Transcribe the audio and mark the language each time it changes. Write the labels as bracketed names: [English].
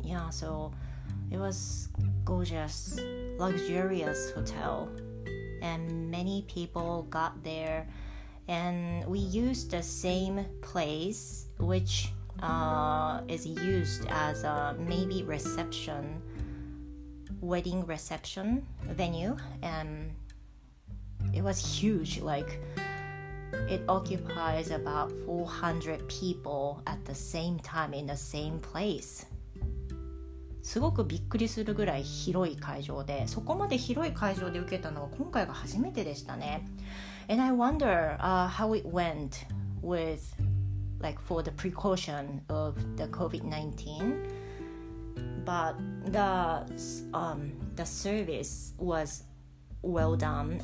[English] so it was gorgeous, luxurious hotel, and many people got there, and we used the same place whichis used as a maybe reception, wedding reception venue, and it was huge. Like, it occupies about 400 people at the same time in the same place. [Japanese] すごくびっくりするぐらい広い会場で、そこまで広い会場で受けたのは今回が初めてでしたね。 [English] And I wonder how it went withLike for the precaution of the COVID-19, but the service was well done.